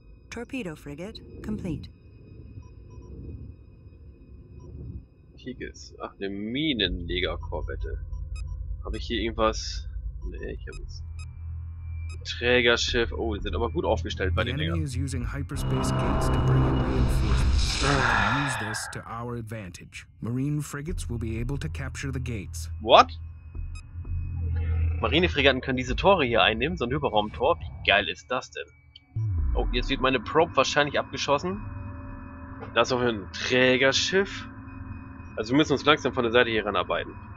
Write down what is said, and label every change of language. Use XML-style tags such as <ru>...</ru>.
<en>Torpedo Frigate complete. Kiegis.</en> <de>Ach, eine Minenleger-Korvette. Habe ich hier irgendwas? Nee, ich habe es. Trägerschiff. Oh, die sind aber gut aufgestellt bei den Dingern.</de> <en>The enemy is using hyperspace gates to bring in reinforcements. Use this to our advantage. Marine frigates will be able to capture the gates. What?</en> <de>Marinefregatten können diese Tore hier einnehmen, so ein Hyperraumtor. Wie geil ist das denn? Oh, jetzt wird meine Probe wahrscheinlich abgeschossen. Da ist noch ein Trägerschiff. Also wir müssen uns langsam von der Seite hier ranarbeiten.</de>